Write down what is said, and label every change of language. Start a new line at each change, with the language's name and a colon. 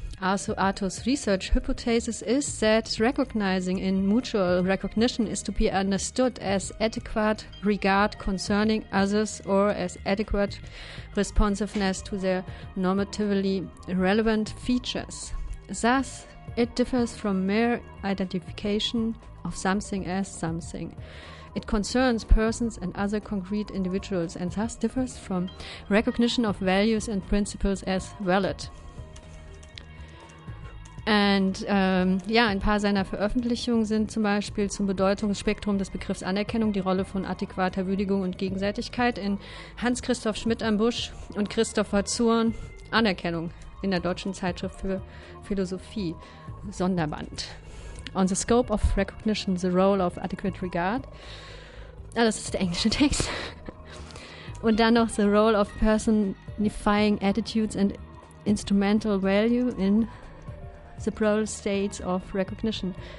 English: Also Arthur's research hypothesis is that recognizing in mutual recognition is to be understood as adequate regard concerning others or as adequate responsiveness to their normatively relevant features. Thus, it differs from mere identification of something as something. It concerns persons and other concrete individuals and thus differs from recognition of values and principles as valid.
German: Und ja, ein paar seiner Veröffentlichungen sind zum Beispiel zum Bedeutungsspektrum des Begriffs Anerkennung, die Rolle von adäquater Würdigung und Gegenseitigkeit in Hans-Christoph Schmidt am Busch und Christopher Zurn, Anerkennung in der deutschen Zeitschrift für Philosophie, Sonderband.
English: On the Scope of Recognition, the Role of Adequate Regard.
German: Ah, das ist der englische Text. Und dann noch
English: The Role of Personifying Attitudes and Instrumental Value in the Plural States of Recognition.